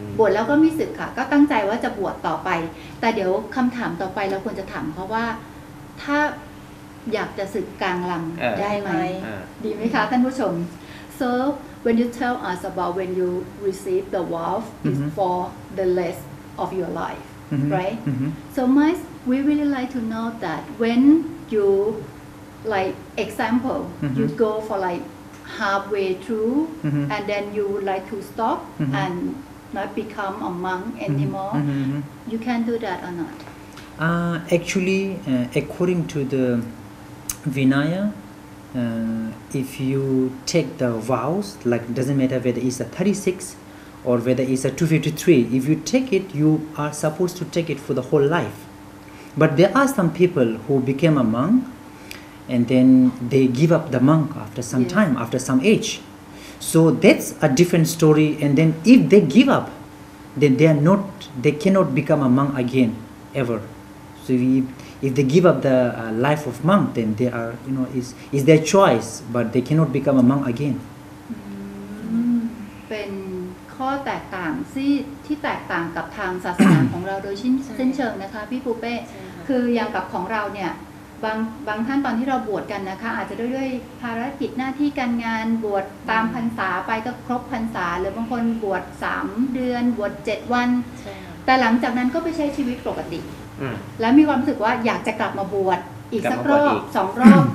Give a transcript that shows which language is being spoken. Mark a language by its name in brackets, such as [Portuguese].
[Thai] บวชแล้วก็ไม่สึกค่ะก็ตั้งใจว่าจะบวชต่อไปแต่เดี๋ยวคำถามต่อไปเราควรจะถามเพราะว่าถ้าอยากจะสึกกลางลำได้ไหมดีไหมคะท่านผู้ชม [English] soWhen you tell us about when you receive the vow for the rest of your life, right? So, we really like to know that when you, like, example, you go for like halfway through, and then you would like to stop and not become a monk anymore, you can do that or not? Actually, according to the Vinaya, if you take the vows, like doesn't matter whether it's a 36 or whether it's a 253, if you take it, you are supposed to take it for the whole life. But there are some people who became a monk and then they give up the monk after some time, after some age. So that's a different story. And then if they give up, then they cannot become a monk again, ever. So if they give up the life of monk, then they are, you know, is their choice, but they cannot become a monk again. [Thai] เป็นข้อแตกต่างที่แตกต่างกับทางศาสนาของเราโดยเชิงนะคะพี่ปูเป้ คืออย่างกับของเราเนี่ยบางท่านตอนที่เราบวชกันนะคะอาจจะด้วยภารกิจหน้าที่การงานบวชตามพรรษาไปก็ครบพรรษาหรือบางคนบวช3เดือนบวช7วันแต่หลังจากนั้นก็ไปใช้ชีวิตปกติแล้วมีความรู้สึกว่าอยากจะกลับมาบวชอีกสักรอบสองรอบ